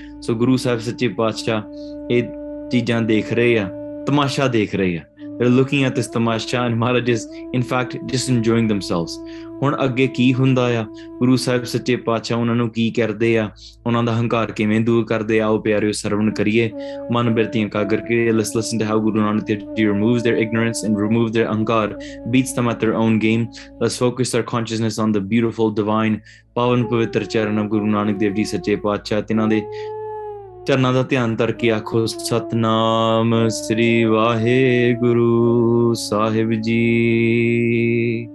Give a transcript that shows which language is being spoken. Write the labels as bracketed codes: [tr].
[pa] So Guru Sahib Sache Paatshah, ਚੀਜ਼ਾਂ ਦੇਖ ਰਹੇ ਆ ਤਮਾਸ਼ਾ ਦੇਖ ਰਹੇ ਆ [en] They're looking at this tamasha and Maharaj is in fact just enjoying themselves. [pa] ਹੁਣ ਅੱਗੇ ਕੀ ਹੁੰਦਾ ਆ ਗੁਰੂ ਸਾਹਿਬ ਸੱਚੇ ਪਾਤਸ਼ਾਹ ਉਹਨਾਂ ਨੂੰ ਕੀ ਕਰਦੇ ਆ ਉਹਨਾਂ ਦਾ ਹੰਕਾਰ ਕਿਵੇਂ ਦੂਰ ਕਰਦੇ ਆ ਉਹ ਪਿਆਰਿਓ ਸਰਵਣ ਕਰੀਏ ਮਨ ਬਿਰਤੀਆਂ ਕਾਗਰ ਕਰੀਏ [en] ਲਿਸ listen to how Guru Nanak Dev ji removes their ignorance and remove their ਅਹੰਕਾਰ beats them at their own game ਲਿਸ focus their consciousness on the beautiful divine [pa] ਪਾਵਨ ਪਵਿੱਤਰ ਚਰਨ ਆਫ ਗੁਰੂ ਨਾਨਕ ਦੇਵ ਜੀ ਸੱਚੇ ਪਾਤਸ਼ਾਹ ਤਿੰਨਾਂ ਦੇ ਚਰਨਾਂ ਦਾ ਧਿਆਨ ਧਰ ਕੇ ਆਖੋ ਸਤਨਾਮ ਸ੍ਰੀ ਵਾਹਿਗੁਰੂ ਸਾਹਿਬ ਜੀ